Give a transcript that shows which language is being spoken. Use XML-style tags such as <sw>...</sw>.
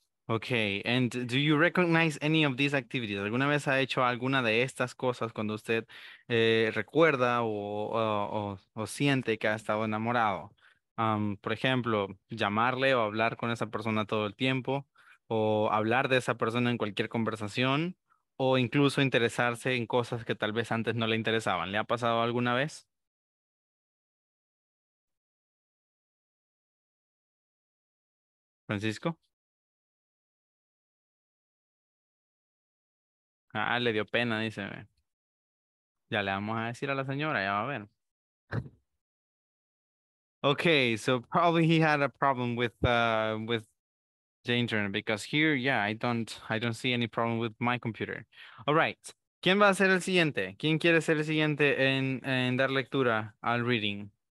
<en>Okay, and do you recognize any of these activities?</en> <es>¿Alguna vez ha hecho alguna de estas cosas cuando usted recuerda o siente que ha estado enamorado? Por ejemplo, llamarle o hablar con esa persona todo el tiempo, o hablar de esa persona en cualquier conversación, o incluso interesarse en cosas que tal vez antes no le interesaban. ¿Le ha pasado alguna vez? ¿Francisco? Ah, le dio pena, dice. Ya le vamos a decir a la señora, ya va a ver.</es> <en>Okay, so probably he had a problem with the internet, because here, yeah, I don't see any problem with my computer. All right,</en> <es>¿quién va a ser el siguiente? ¿Quién quiere ser el siguiente en dar lectura al reading?</es>